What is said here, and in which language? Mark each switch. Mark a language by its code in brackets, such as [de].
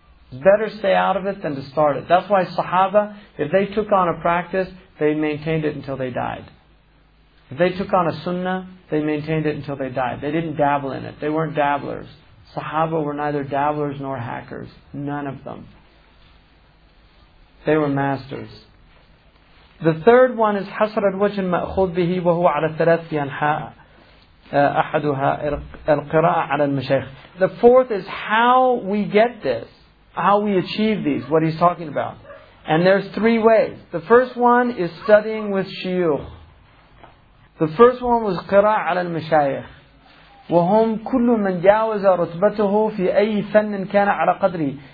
[en] It's better stay out of it than to start it. That's why Sahaba, if they took on a practice, they maintained it until they died. If they took on a sunnah, they maintained it until they died. They didn't dabble in it. They weren't dabblers. Sahaba were neither dabblers nor hackers. None of them. They were masters. The third one is [ar] حَسَرَ الْوَجْهِ الْمَأْخُوذِ بِهِ وَهُوَ عَلَى ثَلَاثِ أَنْحَاءَ أَحَدُهَا الْقِرَاءَ عَلَى الْمَشَيْخِ. [en] The fourth is how we get this. How we achieve these. What he's talking about. And there's three ways. The first one is studying with shuyukh. The first one was qira' ala al-mashayikh. [ar] وَهُمْ كُلُّ مَنْ جَاوَزَ رُتْبَتُهُ فِي أَيِّ فَنٍ كَانَ عَلَى قَدْرِي.